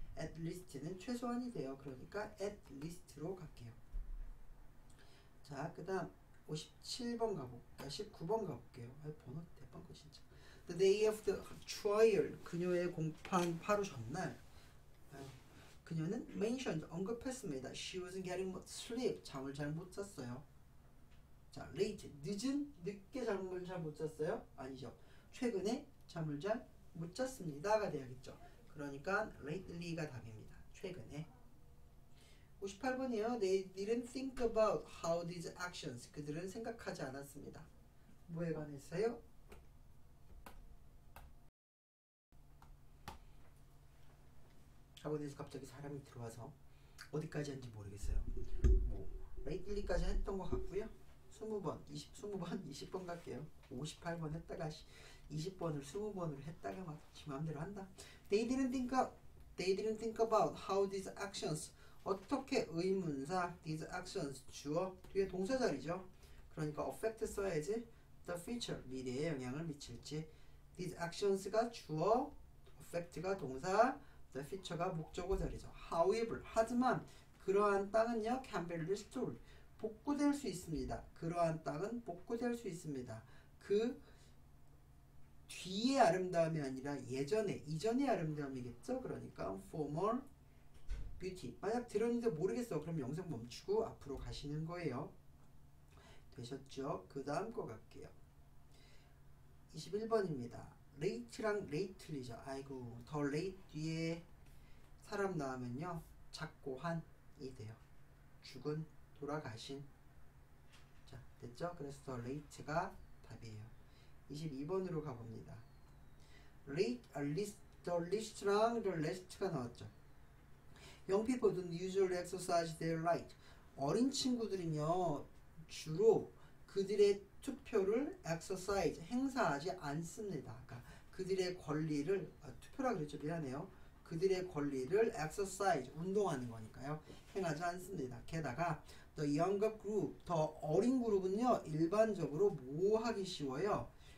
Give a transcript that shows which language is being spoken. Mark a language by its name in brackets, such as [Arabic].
[Korean] at least는 최소한이 돼요. 그러니까 at least로 갈게요. 자, 그 다음. 57번 가볼까? 19번 가볼게요. 번호 대박 거 진짜. [English] The day of the trial, [Korean] 그녀의 공판 바로 전날, 그녀는 mentioned 언급했습니다. [English] She was getting much sleep, [Korean] 잠을 잘못 잤어요. 자, late, 늦은, 늦게 잠을 잘못 잤어요? 아니죠. 최근에 잠을 잘못 잤습니다가 돼야겠죠. 그러니까 lately가 답입니다. 최근에. 58번이요. [English] They didn't think about how these actions. [Korean] 그들은 생각하지 않았습니다. 뭐에 관해서요? 학원에서 갑자기 사람이 들어와서 어디까지 하는지 모르겠어요. 뭐, lately까지 했던 것 같고요. 20번, 20, 20번, 20번 갈게요. 58번 했다가 20번을 20번으로 했다가 막지 마음대로 한다. [English] They didn't think about how these actions. [Korean] 어떻게 의문사 these actions 주어 뒤에 동사자리죠. 그러니까 affect 써야지 the future 미래에 영향을 미칠지. These actions가 주어, affect가 동사, the future가 목적어 자리죠. [English] However, [Korean] 하지만 그러한 땅은요 [English] can be restored [Korean] 복구될 수 있습니다. 그러한 땅은 복구될 수 있습니다. 그 뒤에 아름다움이 아니라 예전에 이전의 아름다움이겠죠. [English] 그러니까 former beauty. [Korean] 만약 들었는데 모르겠어. 그럼 영상 멈추고 앞으로 가시는 거예요. 되셨죠? 그 다음 거 갈게요. 21번입니다. late랑 lately죠. 아이고, 더 late 뒤에 사람 나오면요. 작고한이 돼요. 죽은, 돌아가신. 자, 됐죠? 그래서 더 late가 답이에요. 22번으로 가봅니다. late, list, the least랑 the last가 나왔죠. [English] Young people don't usually exercise their right. [Korean] 어린 친구들은요, 주로 그들의 투표를 exercise, 행사하지 않습니다. 그러니까 그들의 권리를, 투표라 그랬죠. 미안해요. 그들의 권리를 exercise, 운동하는 거니까요. 행하지 않습니다. 게다가, the younger group, 더 어린 그룹은요, 일반적으로 뭐 하기 쉬워요?